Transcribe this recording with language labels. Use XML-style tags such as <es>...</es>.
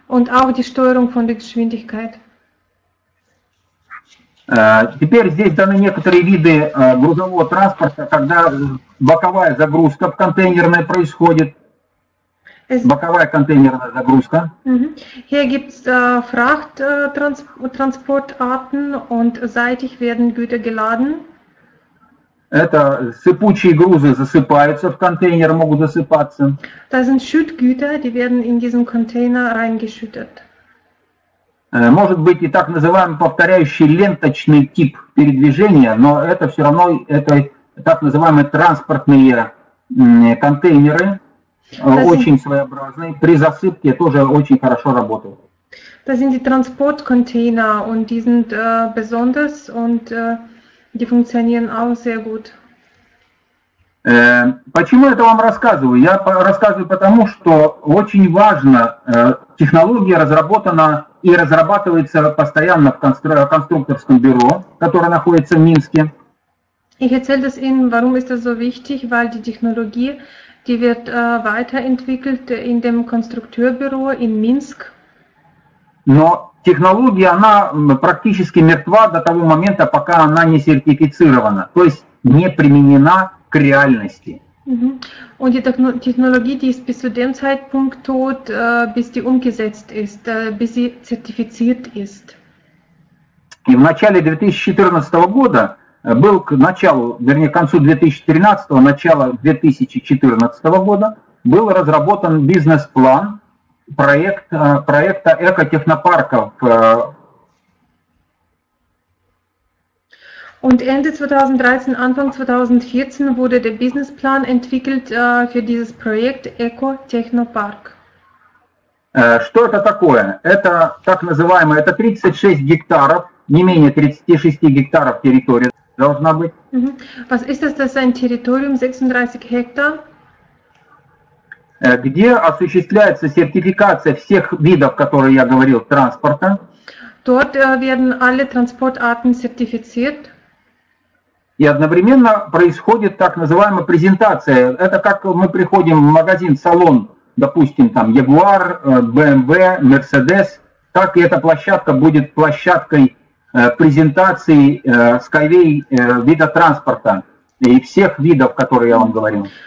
<de>Und auch die Steuerung von der Geschwindigkeit.</de> <ru>Теперь здесь даны некоторые виды грузового транспорта, когда боковая загрузка в контейнерное происходит. Боковая контейнерная загрузка.</ru> <de>Hier gibt's Frachttransportarten und seitlich werden Güter geladen.</de> <ru>Это сыпучие грузы засыпаются в контейнер, могут засыпаться.</ru> <de>Das sind Schüttgüter, die werden in diesen Container reingeschüttet.</de> <ru>Может быть и так называемый повторяющий ленточный тип передвижения, но это все равно это так называемые транспортные контейнеры, очень своеобразные, при засыпке тоже очень хорошо работают.</ru> <de>Das sind die Transportcontainer und die sind besonders und die funktionieren auch sehr gut.</de> <ru>Почему это вам рассказываю? Я рассказываю потому, что очень важно, технология разработана и разрабатывается постоянно в конструкторском бюро, которое находится в Минске.</ru> <de>Ich erzähle das Ihnen, warum ist das so wichtig, weil die Technologie, die wird weiterentwickelt in dem Konstrukteurbüro in Minsk.</de> <ru>Но технология, она практически мертва до того момента, пока она не сертифицирована, то есть не применена к реальности.</ru> <de>Und die Technologie, die ist bis zu dem Zeitpunkt tot, bis sie umgesetzt ist, bis sie zertifiziert ist.</de> <ru>И в начале 2014 года, был к началу, вернее, к концу 2013, начало 2014 года, был разработан бизнес-план проекта экотехнопарка в</ru> <de>Und Ende 2013, Anfang 2014 wurde der Businessplan entwickelt für dieses Projekt Eco Technopark.</de> <ru>Что это такое? Это так называемое, это 36 гектаров, не менее 36 гектаров территории должна быть.</ru> <de>Was ist das? Das ist ein Territorium, 36 Hektar.</de> <ru>Где осуществляется сертификация всех видов, которые я говорил, транспорта.</ru> <de>Dort werden alle Transportarten zertifiziert.</de> <ru>И одновременно происходит так называемая презентация. Это как мы приходим в магазин, салон, допустим, там Jaguar, BMW, Mercedes, так и эта площадка будет площадкой презентации Skyway вида транспорта и всех видов, которые я вам говорил.</ru>